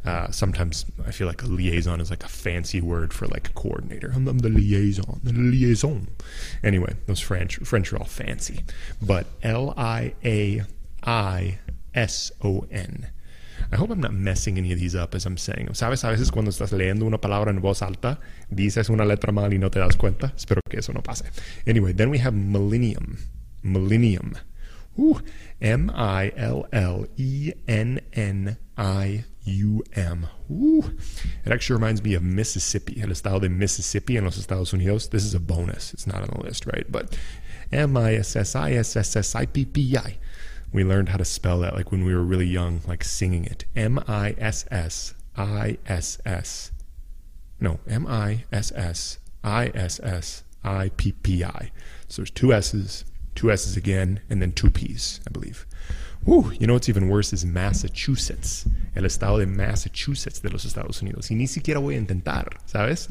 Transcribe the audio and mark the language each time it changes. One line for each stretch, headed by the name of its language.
English: Sometimes I feel like a liaison is like a fancy word for like a coordinator. I'm the liaison. The liaison. Anyway, those French are all fancy. But L-I-A-I-S-O-N. I hope I'm not messing any of these up as I'm saying.
Spanish: ¿Sabes a veces cuando estás leyendo una palabra en voz alta, dices una letra mal y no te das cuenta? Espero que eso no pase.
English: Anyway, then we have millennium. Millennium. Ooh, M-I-L-L-E-N-N-I-U-M. Ooh, it actually reminds me of Mississippi,
Spanish: el estado de Mississippi en los Estados Unidos.
English: This is a bonus. It's not on the list, right? But M-I-S-S-I-S-S-S-I-P-P-I. We learned how to spell that like when we were really young, like singing it. M-I-S-S-I-S-S. No, M-I-S-S-I-S-S-I-P-P-I. So there's two S's. Two S's again, and then two P's, I believe. Whew, you know what's even worse is Massachusetts.
Spanish: El estado de Massachusetts de los Estados Unidos. Y ni siquiera voy a intentar, ¿sabes?